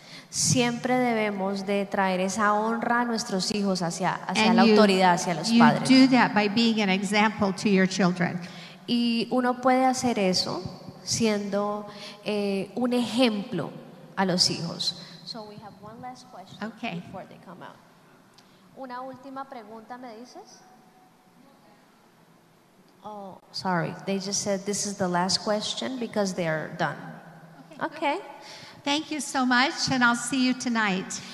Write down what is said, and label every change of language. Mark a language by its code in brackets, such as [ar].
[es] Siempre debemos de traer esa honra a nuestros hijos hacia la autoridad, hacia los padres. [en] You do that by being an example to your children. [es] Y uno puede hacer eso siendo un ejemplo a los hijos. [en] So we have one last question before they come out. [es] Una última pregunta, ¿me dices? [en] Oh, sorry. They just said this is the last question because they are done. Okay. Thank you so much and I'll see you tonight.